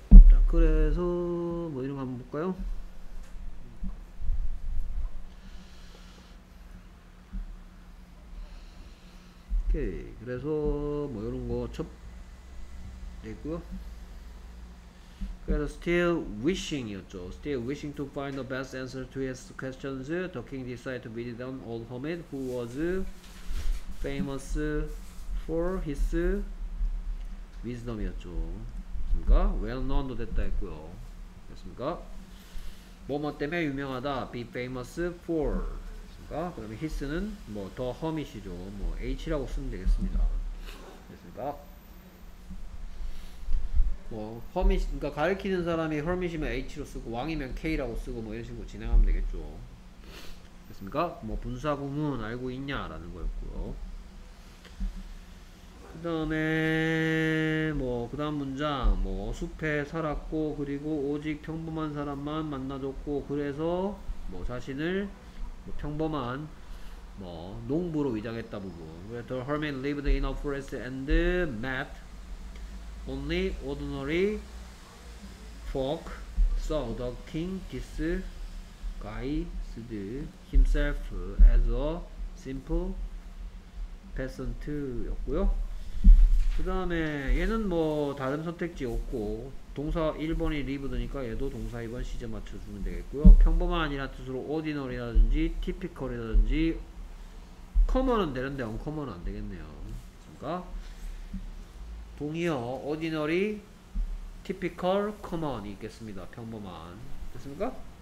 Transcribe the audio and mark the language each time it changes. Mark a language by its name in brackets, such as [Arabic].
[Korean] 자, 그래서 뭐 이런 거 한번 볼까요? 오케이. 그래서 뭐 이런 거첫 있고요. 그래서 [English] still wishing [Korean] 이었죠. [English] Still wishing to find the best answer to his questions, the king decided to visit an old hermit who was famous for his wisdom이었죠. [Korean] 됐습니까? Well known도 됐다 했고요. 됐습니까? 뭐뭐 때문에 유명하다. Be famous for. 됐습니까? 그다음에 his는 뭐더 hermit이죠. 뭐 h라고 쓰면 되겠습니다. 됐습니까? 뭐 허밋 그러니까 가르치는 사람이 허밋이면 H로 쓰고 왕이면 K라고 쓰고 뭐 이런 식으로 진행하면 되겠죠. 됐습니까? 뭐 분사구문 알고 있냐라는 거였고요. 그다음에 뭐 그다음 문장 뭐 숲에 살았고 그리고 오직 평범한 사람만 만나줬고 그래서 뭐 자신을 뭐 평범한 뭐 농부로 위장했다 부분. [English] The hermit lived in a forest and met Only ordinary folk saw the king disguised himself as a simple peasant 였고요. [Korean] 그 다음에 얘는 뭐 다른 선택지 없고 동사 1번이 lived니까 얘도 동사 2번 시제 맞춰주면 되겠고요. 평범한 이란 뜻으로 ordinary라든지 typical이라든지 common은 되는데 uncommon은 안 되겠네요. 그러니까 동의어, ordinary, typical, common이 있겠습니다. 평범한. 됐습니까?